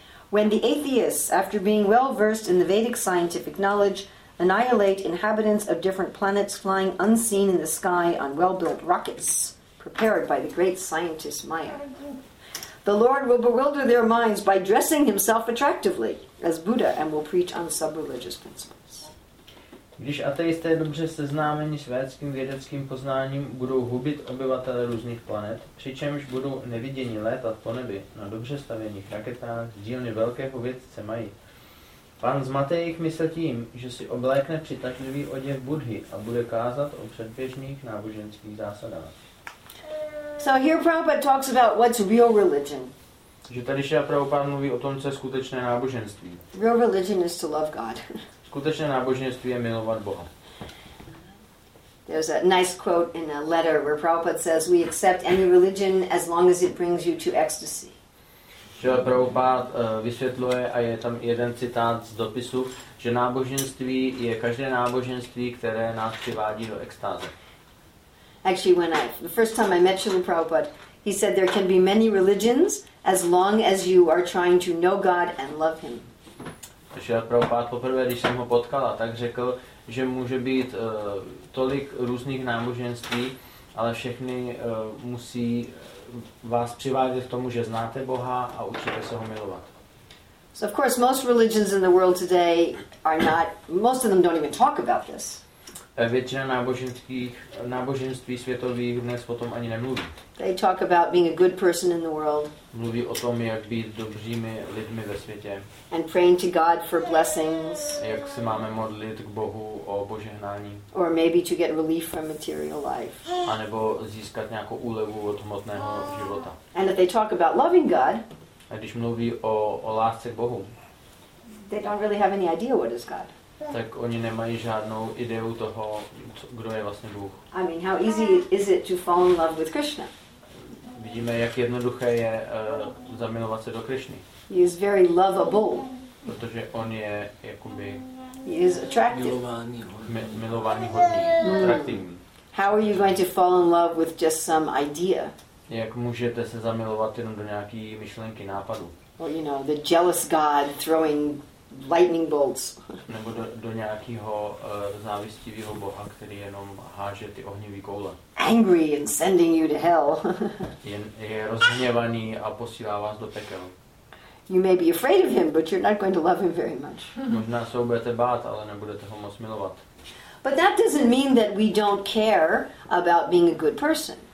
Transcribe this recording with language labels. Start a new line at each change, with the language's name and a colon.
English: When the atheists, after being well-versed in the Vedic scientific knowledge, annihilate inhabitants of different planets flying unseen in the sky on well-built rockets prepared by the great scientist Maya, the Lord will bewilder their minds by dressing himself attractively as Buddha and will preach on sub-religious principles.
Czech: Když ateisté dobře seznámeni s védským vědeckým poznáním budou hubit obyvatele různých planet, přičemž budou neviděni létat po nebi na dobře stavěných raketách z dílny velkého vědce Mají, pán zmate jejich mysl tím, že si oblékne přitažlivý oděv Buddhy a bude kázat o předběžných náboženských zásadách.
English: So here Prabhupada talks about what's real religion.
Czech: Že tady Šrila Prabhupada mluví o tom, co je skutečné náboženství.
English: Real religion is to love God.
Czech: Skutečné náboženství je milovat Boha.
English: There's a nice quote in a letter where Prabhupada says, we accept any religion as long as it brings you to ecstasy.
Czech: Že Prabhupád vysvětluje a je tam jeden citát z dopisu, že náboženství je každé náboženství, které nás přivádí do extáze.
English: Actually, when the first time I met Srila Prabhupada, he said there can be many religions as long as you are trying to know God and love him.
Czech: Šrila Prabhupáda poprvé, když jsem ho potkala, tak řekl, že může být tolik různých náboženství, ale všechny musí vás přivádět k tomu, že znáte Boha a učíte se ho milovat.
English: So of course most religions in the world today are not, most of them don't even talk about this.
Czech: Většina náboženství světových dnes o tom ani nemluví.
English: They talk about being a good person in the world.
Czech: Mluví o tom, jak být dobrými lidmi ve světě.
English: And praying to God for blessings.
Czech: Jak se máme modlit k Bohu o požehnání.
English: Or maybe to get relief from material life.
Czech: A nebo získat nějakou úlevu od hmotného života.
English: And that they talk about loving God.
Czech: A když mluví o lásce k Bohu.
English: They don't really have any idea what is God.
Czech: Tak oni nemají žádnou ideu toho, kdo je vlastně Bůh.
English: I mean, how easy is it to fall in love with Krishna?
Czech: Vidíme, jak jednoduché je zamilovat se do Krishny.
English: He is very lovable.
Czech: Protože on je jakoby
English: he is attractive.
Czech: Milovaný hodný, atraktivní.
English: How are you going to fall in love with just some idea?
Czech: Jak můžete se zamilovat jenom do nějaký myšlenky, nápadu?
English: Well, you know, the jealous god throwing lightning bolts.
Czech: Nebo do nějakého závistivého boha, který jenom háže ty ohnivé koule.
English: Angry and sending you to hell.
Czech: Je rozhněvaný a posílá vás do pekel.
English: You may be afraid of him, but you're not going to love him very much.
Czech: Možná se ho budete bát, ale nebudete ho moc milovat.
English: But that doesn't mean that we don't care about being a good person.